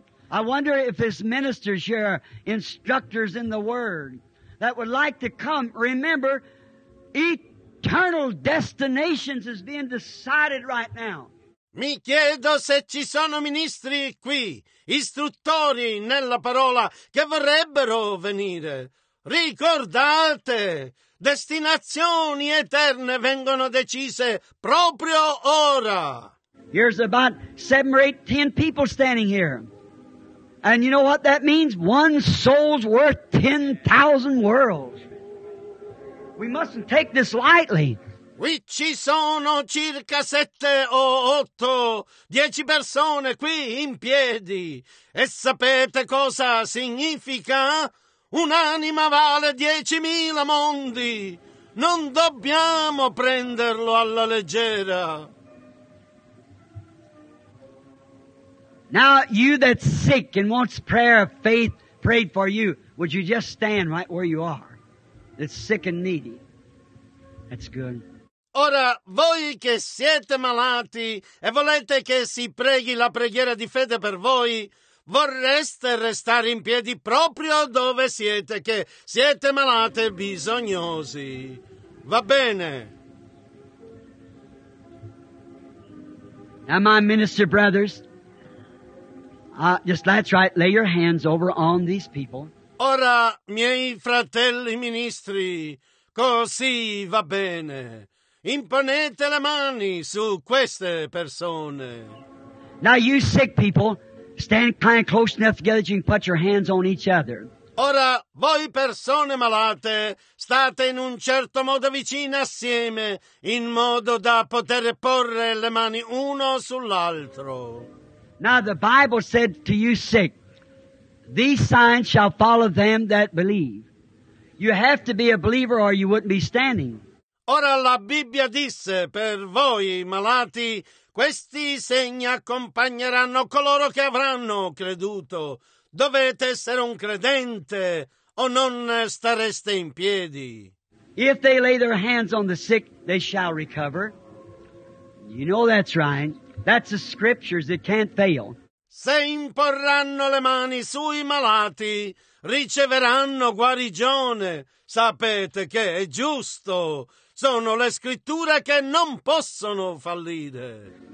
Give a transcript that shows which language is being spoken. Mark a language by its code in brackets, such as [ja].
[en] I wonder if his ministers here are instructors in the Word that would like to come. Remember, eternal destinations is being decided right now. [it] Mi chiedo se ci sono ministri qui, istruttori nella parola, che vorrebbero venire. Ricordate, destinazioni eterne vengono decise proprio ora. [en] Here's about 7 or 8, 10 people standing here. And you know what that means? One soul's worth 10,000 worlds. We mustn't take this lightly. [it] Qui ci sono circa 7 o 8, 10 persone qui in piedi. E sapete cosa significa? Un'anima vale 10.000 mondi. Non dobbiamo prenderlo alla leggera. [en] Now, you that's sick and wants prayer of faith prayed for you, would you just stand right where you are? That's sick and needy. That's good. [it] Ora, voi che siete malati e volete che si preghi la preghiera di fede per voi, vorreste restare in piedi proprio dove siete, che siete malati e bisognosi. Va bene. [en] Now, my minister brothers, just that's right, lay your hands over on these people. [it] Ora, miei fratelli ministri, così va bene. Imponete le mani su queste persone. [en] Now you sick people, stand kind of close enough together that you can put your hands on each other. [it] Ora, voi persone malate, state in un certo modo vicine assieme, in modo da poter porre le mani uno sull'altro. [en] Now the Bible said to you sick, these signs shall follow them that believe. You have to be a believer or you wouldn't be standing. [it] Ora la Bibbia disse, per voi malati, questi segni accompagneranno coloro che avranno creduto. Dovete essere un credente o non stareste in piedi. [en] If they lay their hands on the sick, they shall recover. You know that's right. That's the scriptures that can't fail. [it] Se imporranno le mani sui malati, riceveranno guarigione. Sapete che è giusto. Sono le scritture che non possono fallire.